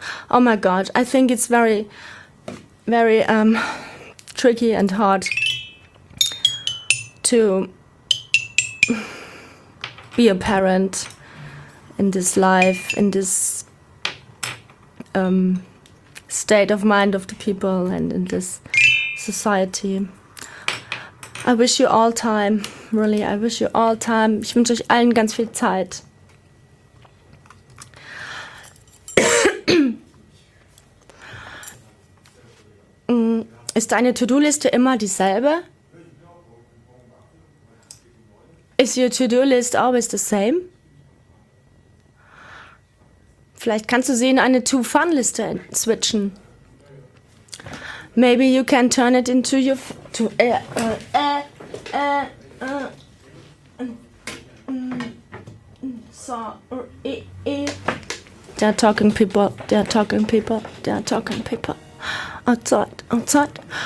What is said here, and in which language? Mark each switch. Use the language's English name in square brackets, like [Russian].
[English] Oh my God, I think it's very, very tricky and hard to be a parent in this life, in this state of mind of the people and in this society. I wish you all time. Really, I wish you all time. [German] Ich wünsche euch allen ganz viel Zeit. Ist deine To-Do-Liste immer dieselbe? [English] Is your To-Do-List always the same? [German] Vielleicht kannst du sie in eine To-Fun-Liste switchen. [English] Maybe you can turn it into your They're talking people. Outside.